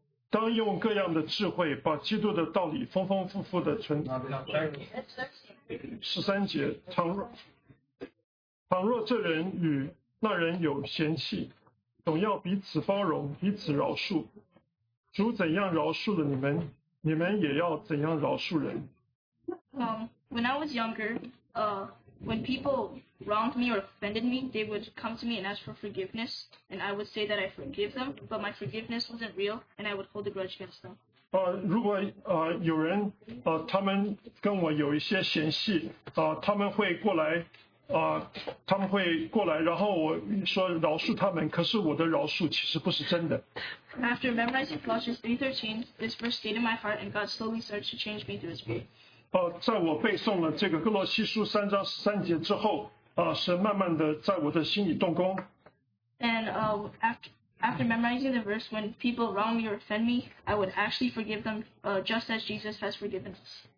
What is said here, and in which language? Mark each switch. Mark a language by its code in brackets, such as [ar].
[zh] 当用各样的智慧把基督的道理丰丰富富的存。 13节，倘若这人与那人有嫌弃，总要彼此包容，彼此饶恕。主怎样饶恕了你们，你们也要怎样饶恕人。 [en] When I was younger, when people wronged me or offended me, they would come to me and ask for forgiveness, and I would say that I forgive them, but my forgiveness wasn't real, and I would hold a grudge against them. [zh] 如果有人他们跟我有一些嫌隙他们会过来他们会过来然后我说饶恕他们可是我的饶恕其实不是真的。 [en] After memorizing Colossians 3:13, this verse stayed in my heart and God slowly started to change me through his spirit. [zh] 在我背诵了这个哥罗西书3:13之后神慢慢的在我的心里动工。 [en] And after memorizing the verse, when people wrong me or offend me, I would actually forgive them just as Jesus has forgiven us.